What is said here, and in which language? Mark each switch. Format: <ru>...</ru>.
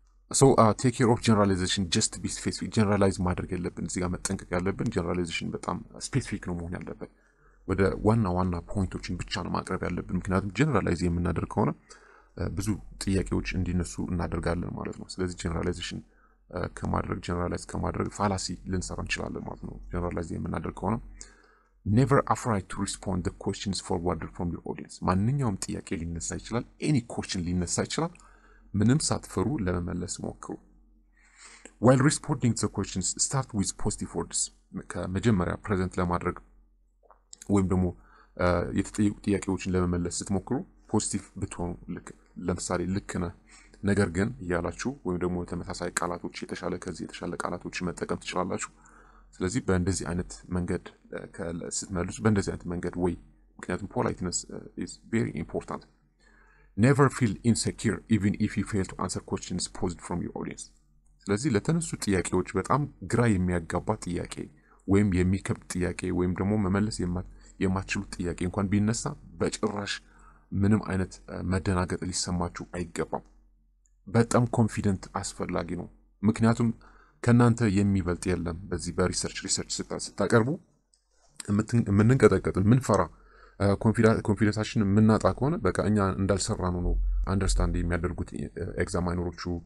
<en>ሶ ቴክ ኬር ኦፍ ጀነራላይዜሽን ጀስት ቢ ስፔሲፊክ።</en> <am>ጀነራላይዝ ማድረግ የለብን እዚህ ጋር መጠንቀቅ ያለብን ጀነራላይዜሽን በጣም ስፔሲፊክ ነው መሆን ያለበት። ወደ ዋና ዋና ፖይንቶችን ብቻ ነው ማቅረብ ያለብን። ምክንያቱም ጀነራላይዝ የምናደርግ ከሆነ ብዙ ጥያቄዎች እንዲነሱ እናደርጋለን ማለት ነው። ስለዚህ ጀነራላይዜሽን ከማድረግ ጀነራላይዝ ከማድረግ ፋላሲ ልንሰራ እንችላለን ማለት ነው። ጀነራላይዝ የምናደርግ ከሆነ</am> <en>ኔቨር አፍራይድ ቱ ሪስፖንድ ዘ ኩዌስቸንስ ፎርዋርድድ ፍሮም ዩር ኦዲየንስ።</en> <am>ማንኛውም ጥያቄ ሊነሳ ይችላል፣ ኤኒ ኩዌስቸን ሊነሳ ይችላል። ምንም ሳትፈሩ ለመመለስ ሞክሩ።</am> <en>While responding to questions, start with positive words.</en> <am>መጀመሪያ present ለማድረግ ወይም ደግሞ የተጠየቁ ጥያቄዎችን ለመመለስ ስትሞክሩ positive ብትሆኑ ልክ ለምሳሌ ልክ ነህ ነገር ግን ይያላችሁ ወይም ደግሞ ተመሳሳይ ቃላቶች የተሻለ ከዚህ የተሻለ ቃላቶች መጠቀም ትችላላችሁ። ስለዚህ በእንደዚህ አይነት መንገድ ስትመልሱ በእንደዚህ አይነት መንገድ ወይ ምክንያቱም</am> <en>politeness is very important. Never feel insecure even if you fail to answer questions posed from your audience.</en> <am>ስለዚህ ለተነሱ ጥያቄዎች በጣም ግራ የሚያጋባ ጥያቄ ወይም የሚከብድ ጥያቄ ወይም ደግሞ መመለስ የማትችሉት ጥያቄ እንኳን ቢነሳ በጭራሽ ምንም አይነት መደናገጥ ሊሰማችሁ አይገባም። በጣም ኮንፊደንት አስፈላጊ ነው። ምክንያቱም ከናንተ የሚበልጥ የለም። በዚህ በሪሰርች ስታቀርቡ ምንንቀጠቀጥ ምንፈራ ኮንፊደንሳችን ምናጣ ከሆነ በቃ እኛ እንዳልሰራነው ነው አንደርስታንድ የሚያደርጉት ኤግዛማይነሮቹ</am>